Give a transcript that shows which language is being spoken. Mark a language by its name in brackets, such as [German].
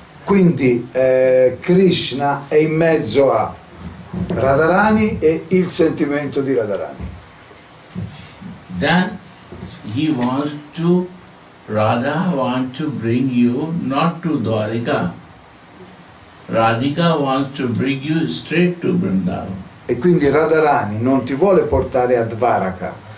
[Italian] Quindi Krishna è in mezzo a Radharani e il sentimento di Radharani. [English] Then he wants to, Radha wants to bring you not to Dwarika. Radhika wants to bring you straight to Vrindavan. [Italian] E quindi Radharani non ti vuole portare a Dvaraka.